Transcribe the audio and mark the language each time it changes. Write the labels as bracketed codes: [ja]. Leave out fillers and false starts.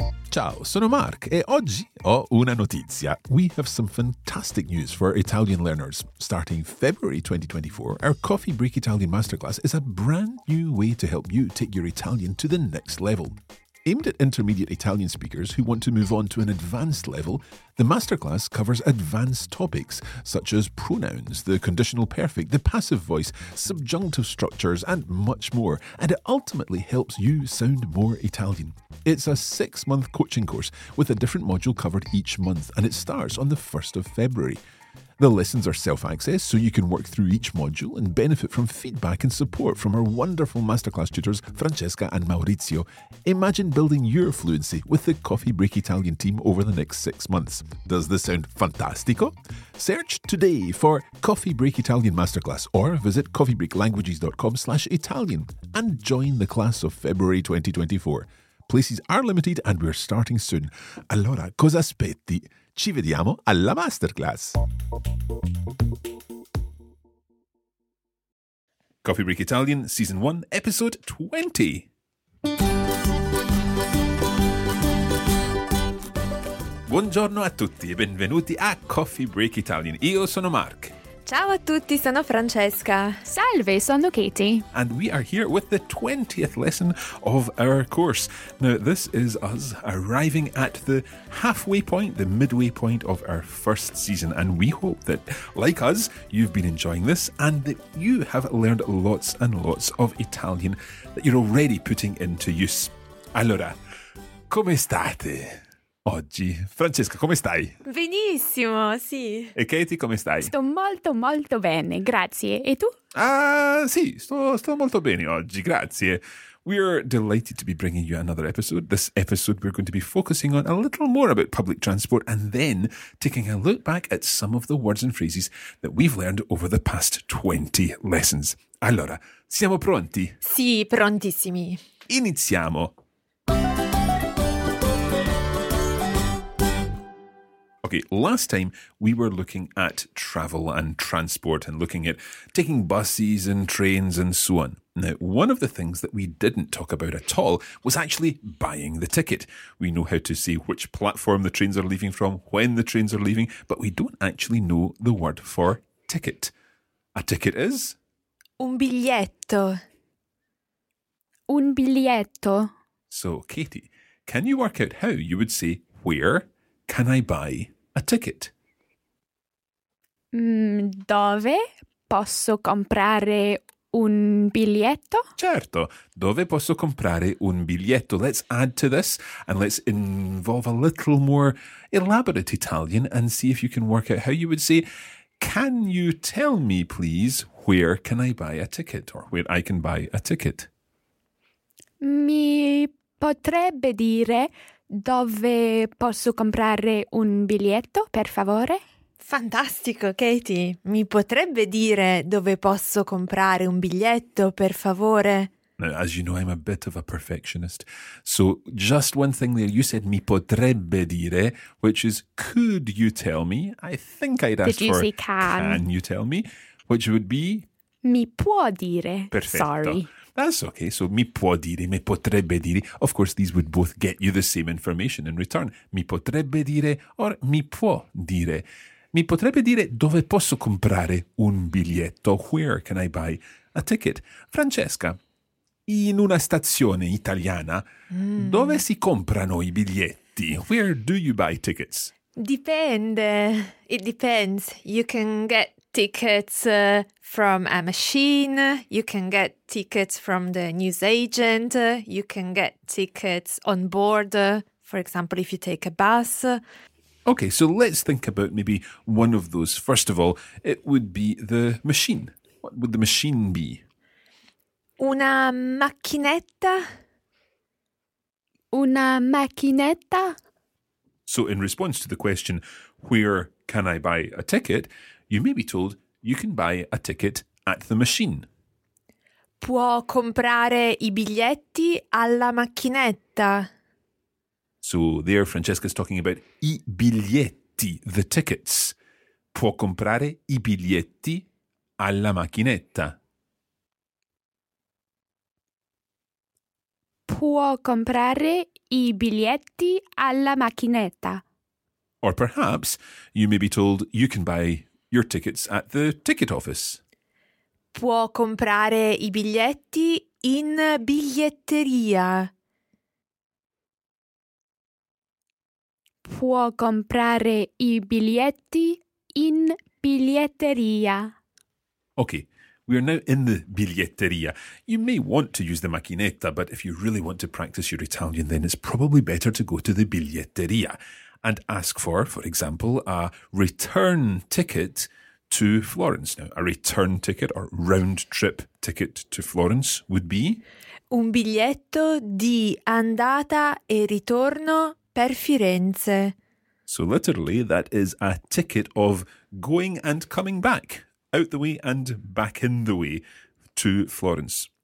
[it] Ciao, sono Mark e oggi ho una notizia. [en] We have some fantastic news for Italian learners. Starting February 2024, our Coffee Break Italian Masterclass is a brand new way to help you take your Italian to the next level. Aimed at intermediate Italian speakers who want to move on to an advanced level, the masterclass covers advanced topics such as pronouns, the conditional perfect, the passive voice, subjunctive structures, and much more, and it ultimately helps you sound more Italian. It's a six-month coaching course with a different module covered each month, and it starts on the 1st of February. The lessons are self-access, so you can work through each module and benefit from feedback and support from our wonderful masterclass tutors, Francesca and Maurizio. Imagine building your fluency with the Coffee Break Italian team over the next 6 months. Does this sound fantastico? Search today for Coffee Break Italian Masterclass or visit coffeebreaklanguages.com/Italian and join the class of February 2024. Places are limited and we're starting soon. [it] Allora, cosa aspetti? Ci vediamo alla masterclass. [en] Coffee Break Italian, Season 1, Episode 20. [it] Buongiorno a tutti e benvenuti a Coffee Break Italian. Io sono Mark. Ciao a tutti, sono Francesca. Salve, sono Katie. [en] And we are here with the 20th lesson of our course. Now, this is us arriving at the halfway point, the midway point of our first season. And we hope that, like us, you've been enjoying this and that you have learned lots and lots of Italian that you're already putting into use. [it] Allora, come state oggi? Francesca, come stai? Benissimo, sì. E Katie, come stai? Sto molto molto bene, grazie. E tu? Ah, sì, sto molto bene oggi, grazie. [en] We are delighted to be bringing you another episode. This episode we're going to be focusing on a little more about public transport and then taking a look back at some of the words and phrases that we've learned over the past 20 lessons. [it] Allora, siamo pronti? Sì, prontissimi. Iniziamo! [en] Okay, last time we were looking at travel and transport and looking at taking buses and trains and so on. Now, one of the things that we didn't talk about at all was actually buying the ticket. We know how to say which platform the trains are leaving from, when the trains are leaving, but we don't actually know the word for ticket. A ticket is? [it] Un biglietto. Un biglietto. [en] So, Katie, can you work out how you would say where can I buy a ticket? [it] Dove posso comprare un biglietto? Certo, dove posso comprare un biglietto? [en] Let's add to this and let's involve a little more elaborate Italian and see if you can work out how you would say, can you tell me please where can I buy a ticket or where I can buy a ticket? [it] Mi potrebbe dire dove posso comprare un biglietto, per favore? Fantastico, Katie. Mi potrebbe dire dove posso comprare un biglietto, per favore? [en] Now, as you know, I'm a bit of a perfectionist. So, just one thing there. You said [it] mi potrebbe dire, [en] which is could you tell me? I think I'd ask did you for say can? Can you tell me? Which would be? [it] Mi può dire. Perfetto. [en] Sorry. That's okay. [it] So, mi può dire, mi potrebbe dire. [en] Of course, these would both get you the same information in return. [it] Mi potrebbe dire or mi può dire. Mi potrebbe dire dove posso comprare un biglietto. [en] Where can I buy a ticket? [it] Francesca, in una stazione italiana, dove si comprano i biglietti? [en] Where do you buy tickets? [it] Dipende. [en] It depends. You can get tickets from a machine, you can get tickets from the newsagent, you can get tickets on board, for example, if you take a bus. Okay, so let's think about maybe one of those. First of all, it would be the machine. What would the machine be? [it] Una macchinetta. Una macchinetta. [en] So in response to the question, where can I buy a ticket, you may be told you can buy a ticket at the machine. [it] Può comprare i biglietti alla macchinetta. [en] So there Francesca's talking about i biglietti, the tickets. [it] Può comprare i biglietti alla macchinetta. può comprare i biglietti alla macchinetta. [en] Or perhaps you may be told you can buy your tickets at the ticket office. [it] Può comprare i biglietti in biglietteria. Può comprare i biglietti in biglietteria. [en] Ok, we are now in the biglietteria. You may want to use the macchinetta, but if you really want to practice your Italian, then it's probably better to go to the biglietteria and ask for example, a return ticket to Florence. Now, a return ticket or round trip ticket to Florence would be? [it] Un biglietto di andata e ritorno per Firenze. [en] So literally, that is a ticket of going and coming back, out the way and back in the way to Florence.